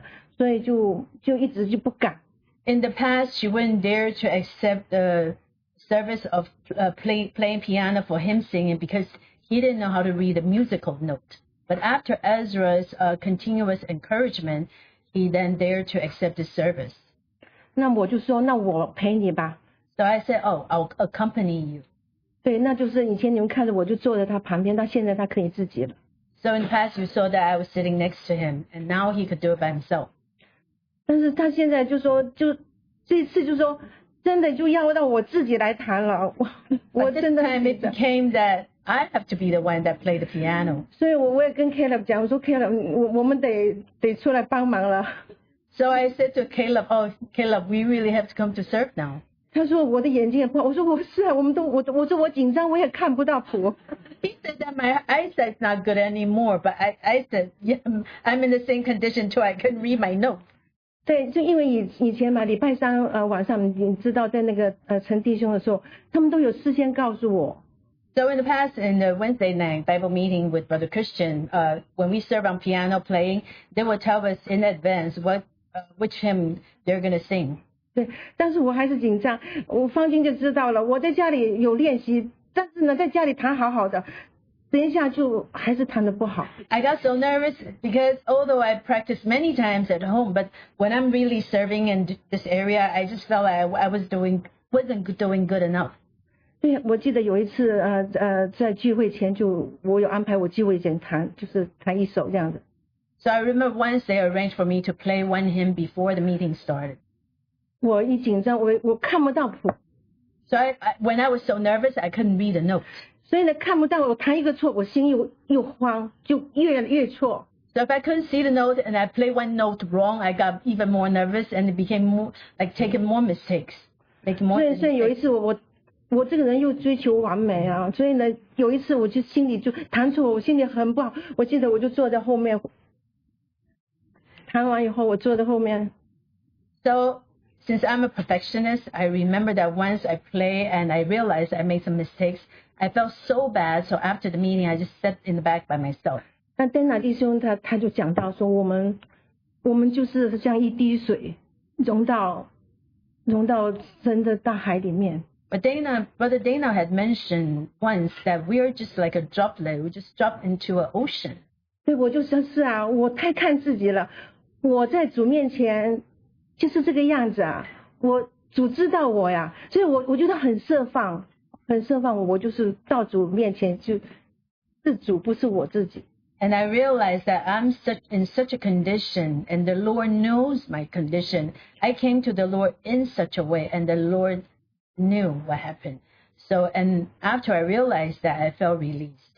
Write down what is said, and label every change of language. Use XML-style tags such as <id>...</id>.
<zh>那以前呢，他就谈聚会之前的嘛，他不敢接这个拜饼聚会。完了，艾主啊就很鼓励他说，你可以的。他说不行，我不识谱的，所以就一直就不敢。</zh> <en>In the past, she wouldn't dare to accept the service of playing piano for him singing because he didn't know how to read a musical note. But after Ezra's continuous encouragement, he then dared to accept the service.</en> <zh>那我就说，那我陪你吧。</zh> <en>So I said, oh, I'll accompany you.</en> <zh>对，那就是以前你们看着我就坐在他旁边，但现在他可以自己了。</zh> <en>So in the past, you saw that I was sitting next to him, and now he could do it by himself.</en> <zh>但是他现在就说，就这次就说。真的就要到我自己来弹了，我真的。</zh> <en>But this time it became that I have to be the one that played the piano.</en> <zh>所以我也跟 Caleb 讲，我说 Caleb， 我们得出来帮忙了。</zh> <en>So I said to Caleb, oh Caleb, we really have to come to serve now.</en> <zh>他说我的眼睛也不好，我说我是啊，我们都我说我紧张，我也看不到谱。</zh> <en>He said that my eyesight's not good anymore, but I said yeah, I'm in the same condition too. I couldn't read my notes.</en> <zh>对，就因为以前嘛，礼拜三晚上，你知道在那个陈弟兄的时候，他们都有事先告诉我。</zh> <en>So in the past, in the Wednesday night Bible meeting with Brother Christian, when we serve on piano playing, they will tell us in advance which hymn they're going to sing.</en> <zh>对，但是我还是紧张。我方军就知道了，我在家里有练习，但是呢，在家里弹好好的。等一下就还是弹得不好。</zh> <en>I got so nervous because although I practiced many times at home, but when I'm really serving in this area, I just felt like I wasn't doing good enough.</en> <zh>对，我记得有一次在聚会前就我有安排我聚会前弹，就是弹一首这样子。</zh> <en>So I remember once they arranged for me to play one hymn before the meeting started.</en> <zh>我一紧张，我看不到谱。</zh> <en>So when I was so nervous, I couldn't read the notes.</en> <zh>所以呢，看不到我弹一个错，我心又慌，就越错。</zh> <en>So if I couldn't see the note and I play one note wrong, I got even more nervous and it became more like taking more mistakes, making more mistakes.</en> <zh>所以有一次我这个人又追求完美啊，所以呢，有一次我就心里就弹错，我心里很不好。我记得我就坐在后面，弹完以后我坐在后面。</zh> <en>So since I'm a perfectionist, I remember that once I play and I realized I made some mistakes. I felt so bad, so after the meeting, I just sat in the back by myself.</en> <zh>但 Dana 弟兄他就讲到说我们就是像一滴水融到神的大海里面。</zh> <en>But Brother Dana had mentioned once that we are just like a droplet, we just drop into an ocean.</en> <zh>对，我就说是啊，我太看自己了，我在主面前就是这个样子啊，我主知道我呀，所以我觉得很释放。很释放，我就是到主面前就是主，不是我自己。</zh> <en>And I realized that I'm such in such a condition, and the Lord knows my condition. I came to the Lord in such a way, and the Lord knew what happened. So, and after I realized that, I felt released.</en>